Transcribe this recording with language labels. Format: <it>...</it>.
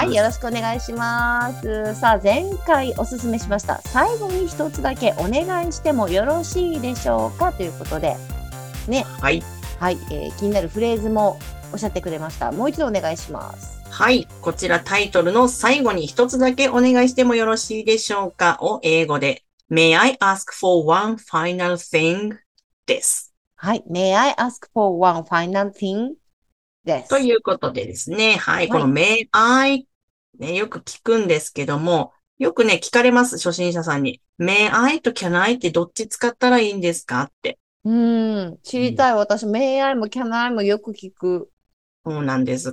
<ja>はい、よろしくお願いします。さあ、前回おすすめしました最後に一つだけお願いしてもよろしいでしょうかということでね。はい、はい、気になるフレーズもおっしゃってくれました。もう一度お願いします。はい、こちらタイトルの最後に一つだけお願いしてもよろしいでしょうかを英語で</ja> <en>May I ask for one final thing</en> <ja>です。はい、</ja> <en>May I ask for one final thing</en> <ja>です。ということでですね、はい、はい、この May I、ね、よく聞くんですけども、よくね、聞かれます、初心者さんに。 May I と Can I ってどっち使ったらいいんですかって。知りたい、私、May I も Can I もよく聞く。そうなんです。</ja>